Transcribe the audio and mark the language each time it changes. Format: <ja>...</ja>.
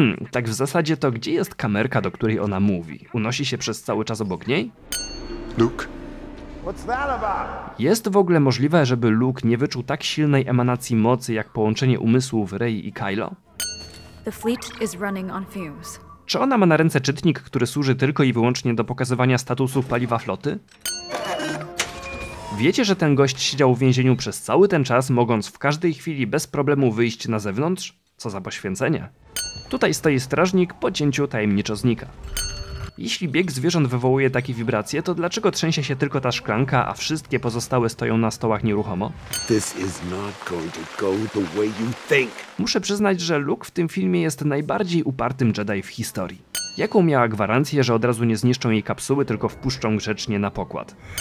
<pl>Tak w zasadzie to gdzie jest kamerka, do której ona mówi? Unosi się przez cały czas obok niej? Luke. Jest w ogóle możliwe, żeby Luke nie wyczuł tak silnej emanacji mocy, jak połączenie umysłów Rey i Kylo?</pl> <en>The fleet is running on fumes.</en> <pl>Czy ona ma na ręce czytnik, który służy tylko i wyłącznie do pokazywania statusów paliwa floty? Wiecie, że ten gość siedział w więzieniu przez cały ten czas, mogąc w każdej chwili bez problemu wyjść na zewnątrz? Co za poświęcenie. Tutaj stoi strażnik, po cięciu tajemniczo znika. Jeśli bieg zwierząt wywołuje takie wibracje, to dlaczego trzęsie się tylko ta szklanka, a wszystkie pozostałe stoją na stołach nieruchomo?</pl> <en>This is not going to go the way you think.</en> <pl>Muszę przyznać, że Luke w tym filmie jest najbardziej upartym Jedi w historii. Jaką miała gwarancję, że od razu nie zniszczą jej kapsuły, tylko wpuszczą grzecznie na pokład?</pl>